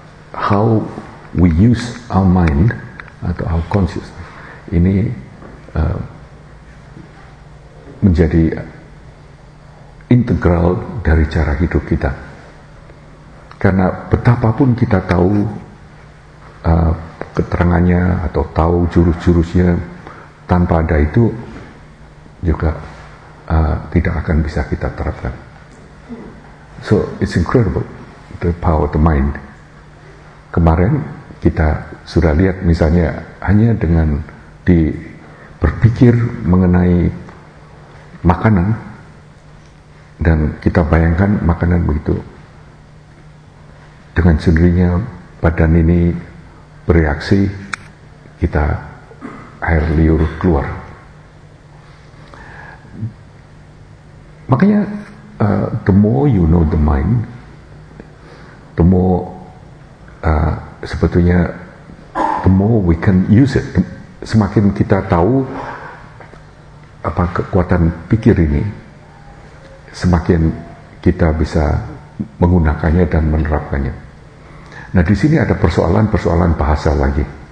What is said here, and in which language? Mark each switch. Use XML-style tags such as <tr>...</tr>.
<en>How we use our mind atau our consciousness</en> <id>ini menjadi integral dari cara hidup kita. Karena betapapun kita tahu keterangannya atau tahu jurus-jurusnya, tanpa ada itu juga tidak akan bisa kita terapkan.</id> <en>So it's incredible, the power of the mind.</en> <id>Kemarin kita sudah lihat misalnya hanya dengan berpikir mengenai makanan, dan kita bayangkan makanan begitu, dengan sendirinya badan ini bereaksi, kita air liur keluar.</id> <en>Makanya the more you know the mind, the more sebetulnya the more we can use it.</en> <id>Semakin kita tahu apa kekuatan pikir ini, semakin kita bisa menggunakannya dan menerapkannya. Nah, di sini ada persoalan-persoalan bahasa lagi.</id>